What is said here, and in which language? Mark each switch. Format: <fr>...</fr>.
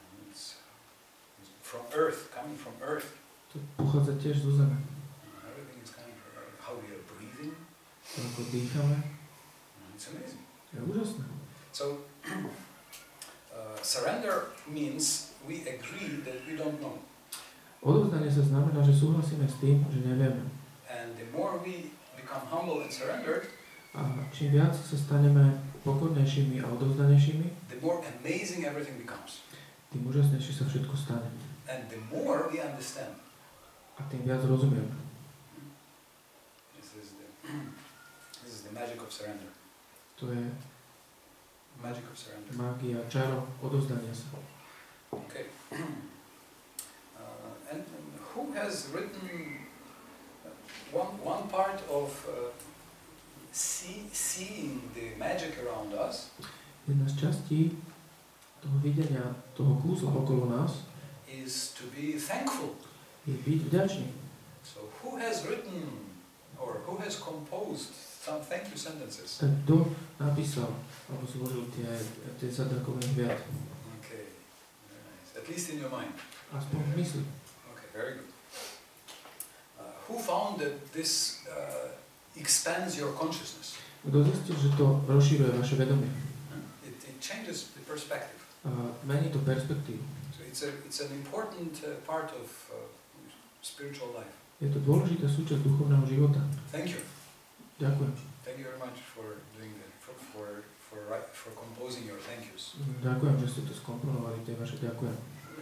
<en>It's from earth, coming from earth.</en> <sk>To pochádza tiež zo zeme.</sk> <en>Everything is coming from earth. How we are breathing.</en> <sk>To ako dýchame.</sk> <en>It's amazing.</en> <sk>Je úžasné.</sk> <en>So, surrender means we agree that we don't know.</en> <sk>Odovzdanie sa znamená, že súhlasíme s tým, že nevieme.</sk> <en>And the more we become humble and surrendered,</en> <sk>a čím viac sa staneme pokornejšími a odovzdanejšími,</sk> <en>the more amazing everything becomes.</en> <sk>Tým úžasnejšie sa všetko stane.</sk> <en>And the more we understand.</en> <sk>A tým viac rozumieme.</sk> <en>This is the magic of surrender.</en> <sk>To je</sk> <en>magic of surrender.</en> <sk>Magia, čaro odovzdania sa.</sk> <en>Okay. And who has written one part of seeing the magic around us?</en> <sk>Jedna z častí toho videnia, toho kúzla okolo nás,</sk> <en>is to be thankful.</en> <sk>Je byť vďačný.</sk> <en>So who has written or who has composed some thank you sentences?</en> <sk>Tak kto napísal alebo zložil tie zadrkové hviat?</sk> <en>Okay. Nice. At least in your mind.</en> <sk>Aspoň v mysli.</sk> <en>Very good. Who found that this expands your consciousness?</en> <sk>Kto zistil, že to rozšíruje vaše vedomie?</sk> <en>It changes the perspective.</en> <sk>Mení to perspektívu.</sk> <en>So it's an important part of spiritual life.</en> <sk>Je to dôležitá súčasť duchovného života.</sk> <en>Thank you.</en> <sk>Ďakujem.</sk> <en>Thank you very much for doing that, for composing your thank yous.</en> <sk>Ďakujem, že ste to skomponovali, tie vaše ďakujem.</sk>